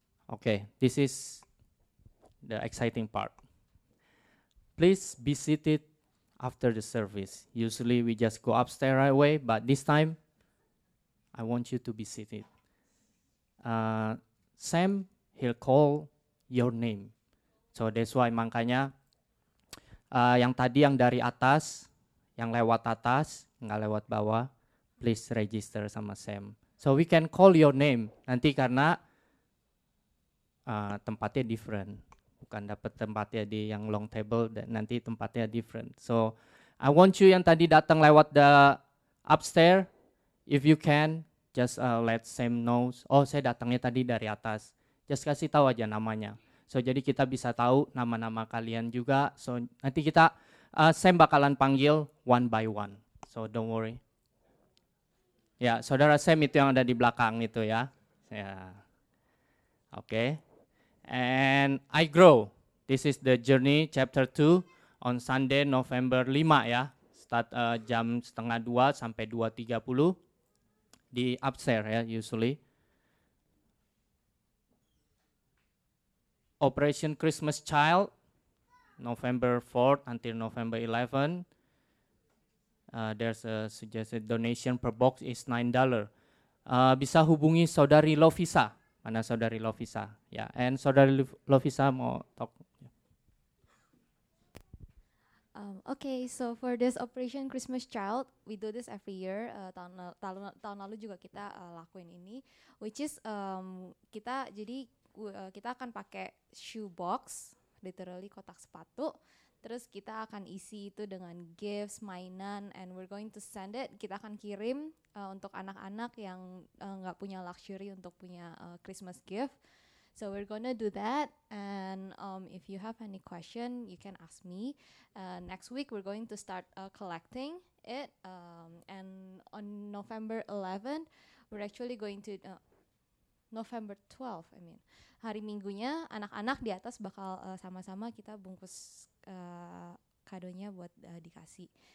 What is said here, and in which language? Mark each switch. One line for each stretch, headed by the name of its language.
English: Okay, this is the exciting part. Please be seated after the service. Usually we just go upstairs right away, but this time I want you to be seated. Sam, he'll call your name. So that's why
Indonesian: makanya yang tadi yang dari atas, yang lewat atas, nggak lewat bawah,
English: please register
Indonesian: sama Sam.
English: So we can call your name
Indonesian: nanti karena tempatnya
English: different.
Indonesian: Bukan dapat tempatnya di yang long table, nanti tempatnya different.
English: So I want you
Indonesian: yang tadi datang lewat
English: the upstairs, if you can, just let Sam know,
Indonesian: oh saya datangnya tadi dari atas, just kasih tahu aja namanya. So jadi kita bisa tahu nama-nama kalian juga. So nanti kita Sam bakalan panggil
English: one by one. So don't worry.
Indonesian: Ya, saudara Sam itu yang ada di belakang itu ya.
English: Ya. Oke. Okay. And I grow. This is the journey chapter 2 on Sunday November 5 ya.
Indonesian: Start jam 1:30 sampai 2:30. Di upstairs ya, usually.
English: Operation Christmas Child, November 4 until November 11. There's a suggested donation per box is $9.
Indonesian: Bisa hubungi saudari Lovisa. Mana saudari Lovisa? Ya, yeah. And saudari Lovisa mau talk.
English: Okay, so for this Operation Christmas Child, we do this every year.
Indonesian: Tahun lalu juga kita lakuin ini,
English: which is
Indonesian: kita akan pakai shoe box, literally kotak sepatu. Terus kita akan isi itu dengan gifts, mainan,
English: and we're going to send it.
Indonesian: Kita akan kirim untuk anak-anak yang nggak punya luxury untuk punya Christmas gift.
English: So we're gonna do that, and if you have any question, you can ask me. Next week, we're going to start collecting it, and on November 11, we're actually going to November 12. I mean,
Indonesian: hari Minggunya, anak-anak di atas bakal sama-sama kita bungkus kadonya buat dikasih.